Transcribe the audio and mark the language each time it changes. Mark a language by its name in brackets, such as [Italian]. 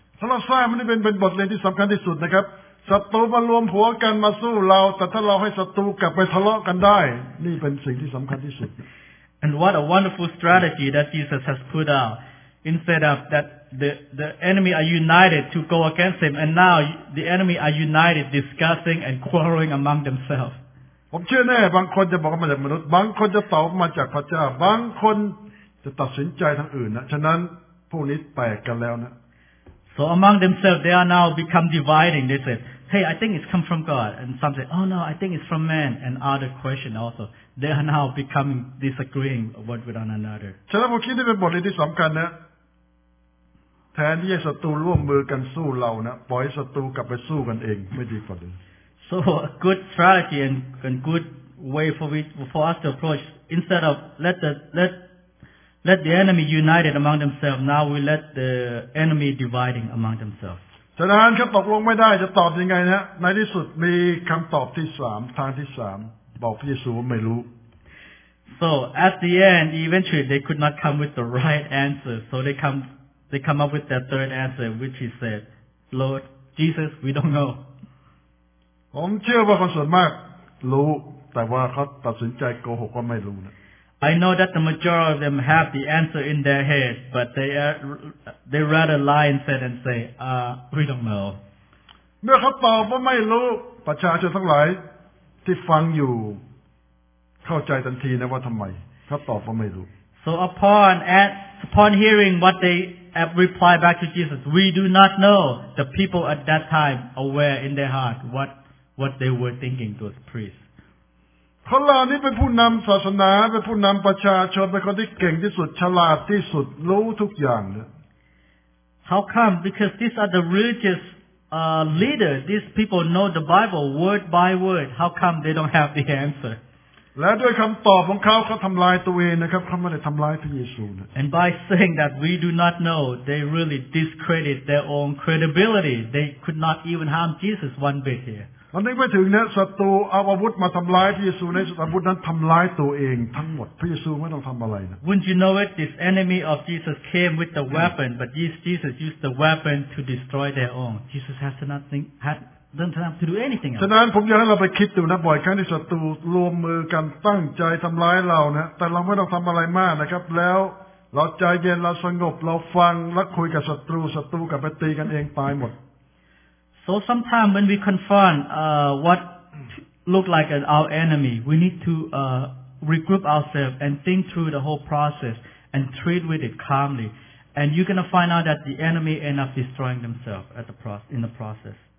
[Thai] สำหรับซามันนี่เป็นบทเรียนที่สำคัญที่สุดนะครับศัตรูมารวมหัวกันมาสู้เราแต่ถ้าเราให้ศัตรูกลับไปทะเลาะกันได้นี่เป็นสิ่งที่สำคัญที่สุด [English] And what a wonderful strategy that Jesus has put out instead of thatThe enemy are united to go against him, and now the enemy are united discussing and quarreling among themselves. [Thai] ผมเชื่อแน่บางคนจะบอกมาจากมนุษย์บางคนจะตอบมาจากพระเจ้าบางคนจะตัดสินใจทางอื่นนะฉะนั้นพวกนี้แตกกันแล้วนะ [English] So among themselves they are now become dividing. They said, "Hey, I think it's come from God," and some say, "Oh no, I think it's from man." And other question also, they are now becoming disagreeing one with one another. [Thai] ฉะนั้นผมคิดว่าเป็นบทเรียนที่สำคัญนะแทนที่จะศัตรูร่วมมือกันสู้เรานะปล่อยศัตรูกลับไปสู้กันเองไม่ดีกว่าหรือ [English] So a good strategy and good way for us to approach instead of let the enemy united among themselves now we let the enemy dividing among themselves [Thai] ฉะนั้นเขาตกลงไม่ได้จะตอบยังไงนะในที่สุดมีคำตอบที่3ทางที่3บอกพระเยซูว่าไม่รู้ [English] So at the end eventually they could not come with the right answer so they come up with that third answer, which he said, Lord, Jesus, we don't know. [Thai] ผมเชื่อว่าคนส่วนมากรู้แต่ว่าเขาตัดสินใจโกหกว่าไม่รู้นะ [English] I know that the majority of them have the answer in their head, but they rather lie instead and say, we don't know. [Thai] เมื่อเขาตอบว่าไม่รู้ประชาชนทั้งหลายที่ฟังอยู่เข้าใจทันทีนะว่าทำไมเขาตอบว่าไม่รู้ [English] So upon hearing what theyAnd reply back to Jesus, we do not know the people at that time aware in their heart what they were thinking to the priest. [Thai] คนเหล่านี้เป็นผู้นำศาสนาเป็นผู้นำประชาชนเป็นคนที่เก่งที่สุดฉลาดที่สุดรู้ทุกอย่างเลย [English] How come? Because these are the religious leader. These people know the Bible word by word. How come they don't have the answer? [Thai] และด้วยคำตอบของเขาเขาทำลายตัวเองนะครับเขาไม่ได้ทำลายพระเยซูนะ [English] And by saying that we do not know they really discredit their own credibility they could not even harm Jesus one bit here [Thai] ตอนนี้ไปถึงเนี่ยศัตรูเอาอาวุธมาทำลายพระเยซูในศัตรูอาวุธนั้นทำลายตัวเองทั้งหมดพระเยซูไม่ต้องทำอะไรนะ [English] Wouldn't you know it this enemy of Jesus came with the weapon but Jesus used the weapon to destroy their own Jesus has nothing hadDon't have to do anything else. [Thai] ฉะนั้นผมอยากให้เราไปคิดดูนะบ่อยครั้งที่ศัตรูรวมมือกันตั้งใจทำร้ายเรานะแต่เราไม่ต้องทำอะไรมากนะครับแล้วเราใจเย็นเราสงบเราฟังและคุยกับศัตรูศัตรูกลับไปตีกันเองตายหมด [English] So sometimes when we confront what look like our enemy, we need to regroup ourselves and think through the whole process and treat with it calmly, and you're gonna find out that the enemy end up destroying themselves at the in the process.